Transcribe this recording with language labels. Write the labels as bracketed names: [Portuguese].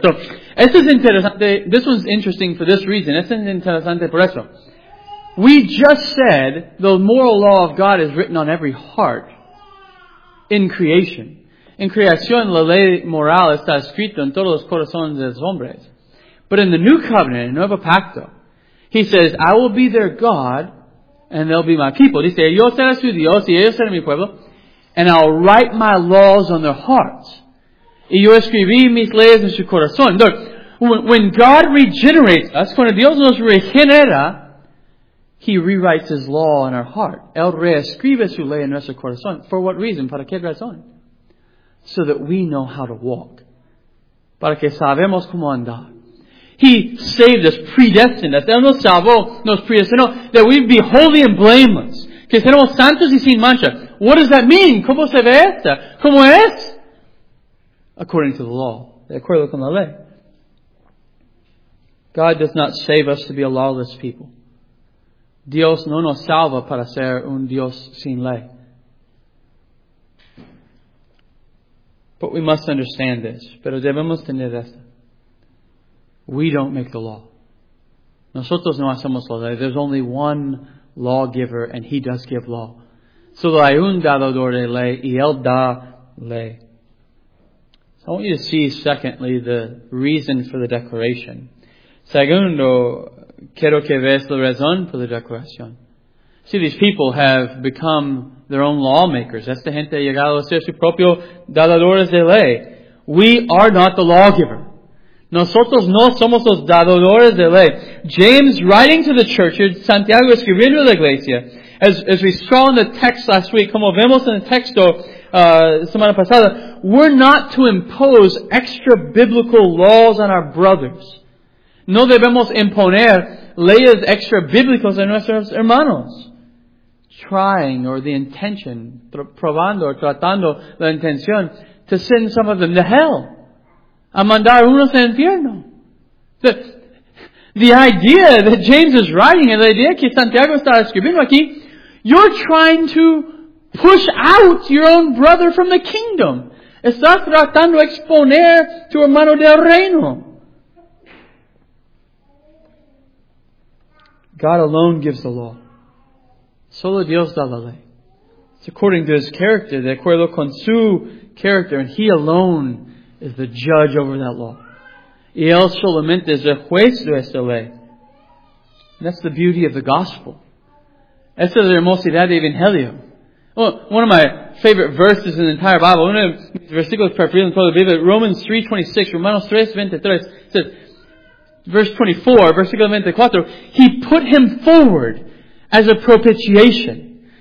[English] So, [Spanish] esto es interesante. [English] This one's interesting for this reason. [Spanish] Esto es interesante por eso. [English] We just said the moral law of God is written on every heart in creation. [Spanish] En creación, la ley moral está escrita en todos los corazones de los hombres. [English] But in the new covenant, in Nuevo Pacto, He says, I will be their God, and they'll be my people. [Spanish] Dice, yo seré su Dios, y ellos serán mi pueblo. [English] And I'll write my laws on their hearts. [Spanish] Y yo escribí mis leyes en su corazón. [English] Look, when God regenerates us, [Spanish] cuando Dios nos regenera, [English] He rewrites His law in our heart. [Spanish] Él reescribe su ley en nuestro corazón. [English] For what reason? [Spanish] ¿Para qué razón? [English] So that we know how to walk. [Spanish] Para que sabemos cómo andar. [English] He saved us, predestined us. [Spanish] Él nos salvó, nos predestinó, [English] that we'd be holy and blameless. [Spanish] Que seremos santos y sin mancha. [English] What does that mean? [Spanish] ¿Cómo se ve esta? ¿Cómo es? [English] According to the law. [Spanish] De acuerdo con la ley. [English] God does not save us to be a lawless people. [Spanish] Dios no nos salva para ser un Dios sin ley. [English] But we must understand this. [Spanish] Pero debemos tener esto. [English] We don't make the law. [Spanish] Nosotros no hacemos la ley. [English] There's only one lawgiver, and He does give law. [Spanish] Solo hay un dador de ley, y Él da ley. [English] So I want you to see, secondly, the reason for the declaration. [Spanish] Segundo, quiero que veas la razón por la declaración. [English] See, these people have become their own lawmakers. [Spanish] Esta gente ha llegado a ser su propio dadadores de ley. [English] We are not the lawgiver. [Spanish] Nosotros no somos los dadores de ley. [English] James writing to the church, [Spanish] Santiago escribiendo a la iglesia, [English] as we saw in the text last week, [Spanish] como vemos en el texto semana pasada, [English] we're not to impose extra biblical laws on our brothers. [Spanish] No debemos imponer leyes extra bíblicas a nuestros hermanos. [English] Trying, or the intention, [Spanish] probando, [English] or [Spanish] tratando la intención, [English] to send some of them to hell. [Spanish] A mandar unos al infierno. [English] The idea that James is writing, and the idea [Spanish] que Santiago está escribiendo aquí, [English] you're trying to push out your own brother from the kingdom. [Spanish] Estás tratando de exponer tu hermano del reino. [English] God alone gives the law. [Spanish] Solo Dios da la ley. [English] It's according to His character, [Spanish] de acuerdo con su [English] character, and He alone is the judge over that law. [Spanish] Y él solamente es el juez de esta ley. [English] And that's the beauty of the gospel. [Spanish] Esa es la hermosidad de Evangelio. [English] Well, one of my favorite verses in the entire Bible, one of the [Spanish] versículos preferidos [English] in [Spanish] toda la Biblia, [English] Romans 3:26, Romanos 3:23, says, verse 24, versículo 24, He put Him forward as a propitiation.